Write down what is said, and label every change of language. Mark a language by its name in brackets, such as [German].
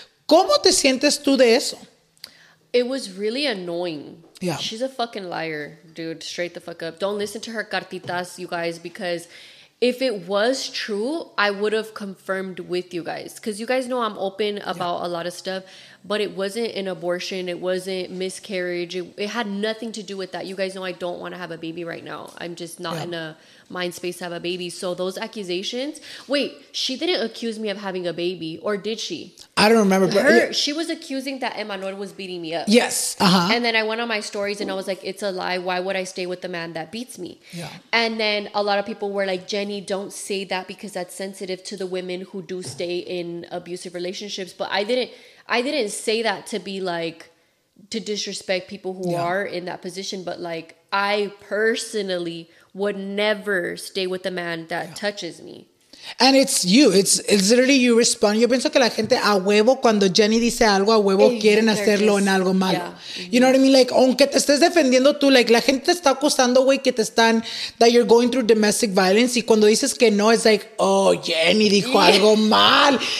[Spanish] ¿Cómo te sientes tú de eso? [English] It was really annoying. Yeah. She's a fucking liar, dude. Straight the fuck up. Don't listen to her cartitas, you guys, because if it was true, I would have confirmed with you guys. Because you guys know I'm open about a lot of stuff. But it wasn't an abortion. It wasn't miscarriage. It had nothing to do with that. You guys know I don't want to have a baby right now. I'm just not in a mind space to have a baby. So those accusations. Wait, she didn't accuse me of having a baby. Or did she? I don't remember. But she was accusing that Emmanuel was beating me up. Yes. Uh-huh. And then I went on my stories and I was like, it's a lie. Why would I stay with the man that beats me? Yeah. And then a lot of people were like, Jenny, don't say that because that's sensitive to the women who do stay in abusive relationships. But I didn't say that to be like, to disrespect people who are in that position. But like, I personally would never stay with a man that touches me. And it's you. It's literally you respond. [Spanish] Yo pienso que la gente a huevo, cuando Jenny dice algo, a huevo quieren hacerlo en algo malo. [English] Yeah. Mm-hmm. You know what I mean? Like, [Spanish] aunque te estés defendiendo tú, like, la gente te está acusando, güey, que te están, [English] that you're going through domestic violence. [Spanish] Y cuando dices que no, [English] it's like, oh, [Spanish] Jenny dijo algo mal.